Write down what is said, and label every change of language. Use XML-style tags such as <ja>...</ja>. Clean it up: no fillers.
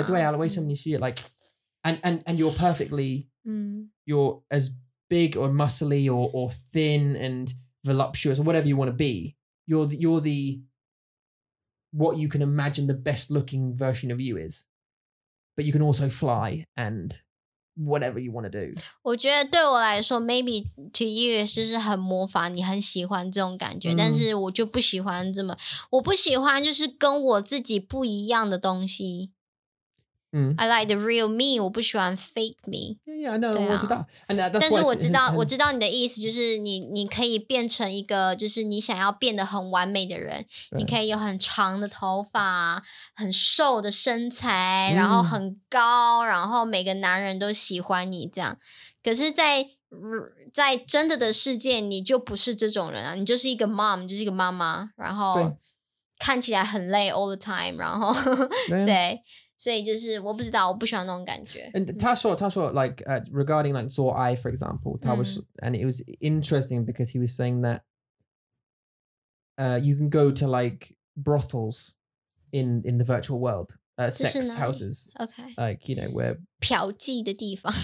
<en>Yeah,</en> <zh>对啊为什么你需要</zh> <en>Like, and you're perfectly You're as big or muscly or thin and voluptuous or whatever you want to be You're the What you can imagine the best looking version of you is But you can also fly and whatever you want to do.</en> <zh>我觉得对我来说</zh> <en>maybe to you</en> <zh>就是很模仿你很喜欢这种感觉、但是我就不喜欢这么我不喜欢就是跟我自己不一样的东西。</zh> <en>I like the real me,</en> <zh>我不喜欢</zh> <en>fake me. Yeah, yeah, I know,</en> <zh>我知道。</zh> <en>And that's</en> <zh>但是我知道你的意思就是你可以变成一个就是你想要变得很完美的人。你可以有很长的头发很瘦的身材然后很高然后每个男人都喜欢你这样。可是在真的的世界你就不是这种人啊你就是一个 mom, 就是一个妈妈然后看起来很累</zh> <en>all the time,</en> <zh>然后 对。所以就是我不知道我不喜欢那种感觉</zh> <en>And</en> <zh>他说</zh> <en>like regarding like</en> <zh>做爱</zh> <en>for example 他was And it was interesting because he was saying that you can go to like brothels in the virtual world sex houses Okay Like you know where</en> <zh>嫖妓的地方</zh>